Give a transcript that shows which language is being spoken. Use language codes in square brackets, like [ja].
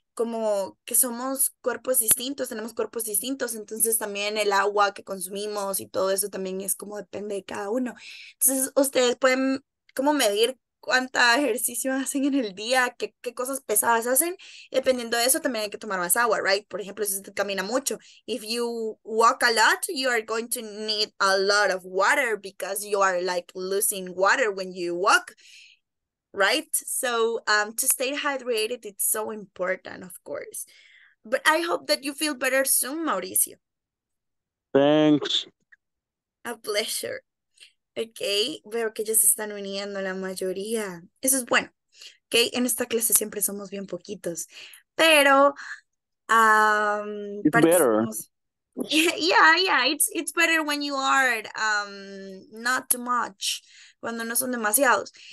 [es] Como que somos cuerpos distintos, tenemos cuerpos distintos, entonces también el agua que consumimos y todo eso también es como depende de cada uno. Entonces ustedes pueden como medir cuánta ejercicio hacen en el día, qué cosas pesadas hacen. Dependiendo de eso, también hay que tomar más agua, [en] right? [es] Por ejemplo, si usted camina mucho. [en] If you walk a lot, you are going to need a lot of water because you are like losing water when you walk, right? So to stay hydrated, it's so important, of course. But I hope that you feel better soon, Mauricio. Thanks. A pleasure. [es] Okay, veo que ya se están uniendo la mayoría. Eso es bueno. Okay, en esta clase siempre somos bien poquitos. Pero [en] it's better. Yeah, it's better when you are not too much, [es] cuando no son demasiados.